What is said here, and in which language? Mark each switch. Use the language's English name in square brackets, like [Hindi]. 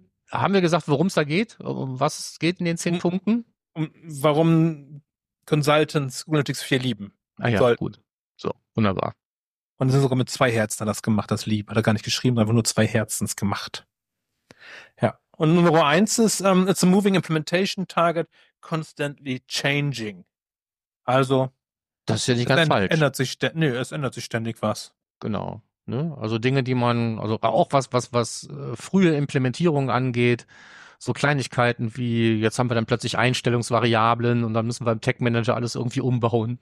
[German] Haben wir gesagt, worum es da geht? Um was geht in den 10 Punkten? Warum Consultants Google Analytics 4 lieben. Ah ja, sollten. Gut. So, wunderbar. Und es ist sogar mit 2 Herzen das gemacht, das Lieb. Hat er gar nicht geschrieben, einfach nur 2 Herzens gemacht. Ja. Und Nummer 1 ist, [English] it's a moving implementation target, constantly changing. [German] Also. Das ist ja nicht ganz falsch. Es ändert sich ständig was. Genau. Ne? Also Dinge, die man, also auch was frühe Implementierung angeht. So Kleinigkeiten wie, jetzt haben wir dann plötzlich Einstellungsvariablen und dann müssen wir im Tech-Manager alles irgendwie umbauen.